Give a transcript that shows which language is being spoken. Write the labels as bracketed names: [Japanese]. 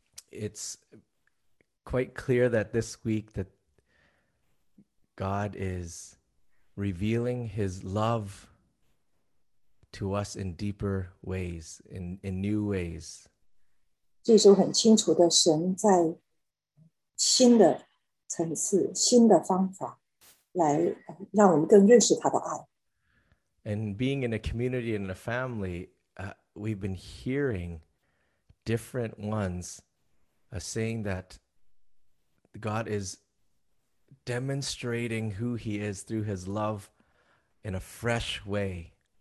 [English] It's quite clear that this week that God is revealing his love to us in deeper ways, in new ways. [Chinese] 这时候很清楚的神在新的层次,新的方法来让我们更认识他的爱。 [English] And being in a community and a family, we've been hearing different ones saying that God is demonstrating who he is through his love in a fresh way.